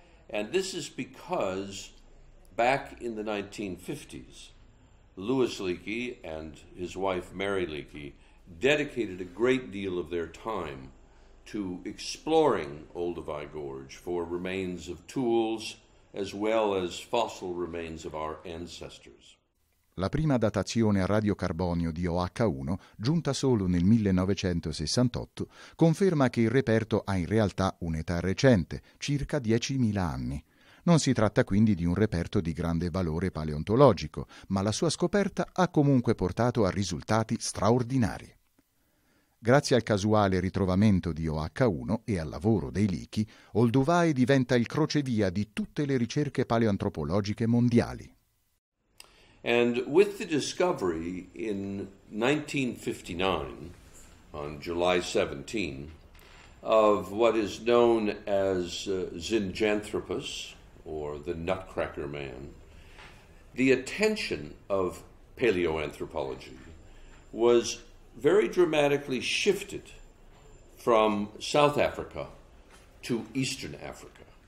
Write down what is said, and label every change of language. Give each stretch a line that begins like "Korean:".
English: And this is because back in the 1950s, Lewis Leakey and his wife Mary Leakey dedicated a great deal of their time to exploring Olduvai Gorge for remains of tools as well as fossil remains of our ancestors.
Italian: La prima datazione a radiocarbonio di OH1, giunta solo nel 1968, conferma che il reperto ha in realtà un'età recente, circa 10.000 anni. Non si tratta quindi di un reperto di grande valore paleontologico, ma la sua scoperta ha comunque portato a risultati straordinari. Grazie al casuale ritrovamento di OH1 e al lavoro dei Leakey, Olduvai diventa il crocevia di tutte le ricerche paleoantropologiche mondiali.
English: And with the discovery in 1959, on July 17, of what is known as Zinganthropus, or the Nutcracker Man, the attention of paleoanthropology was very dramatically shifted from South Africa to Eastern Africa.